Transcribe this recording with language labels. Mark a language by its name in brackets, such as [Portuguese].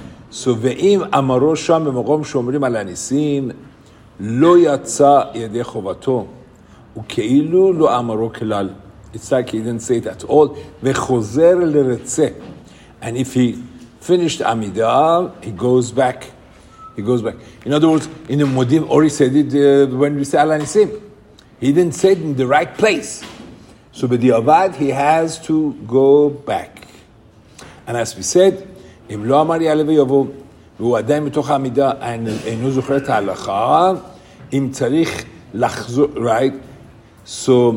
[English] So, [Hebrew] ואם אמרו שם במקום שאומרים על הניסים, לא יצא ידי חובתו, וכאילו לא אמרו כלל. [English] It's like he didn't say it at all. [Hebrew] וחוזר לרצה. [English] And if he finished עמידה, he goes back. He goes back. In other words, in the modim, or he said it when we say על הניסים. He didn't say it in the right place. So, [Hebrew] בדיעבד, [English] he has to go back. And as we said, [Hebrew] אם לא אמר יעלה ויבוא, והוא עדיין מתוך העמידה, אינו זוכר את ההלכה, אם צריך לחזור, [English] right? So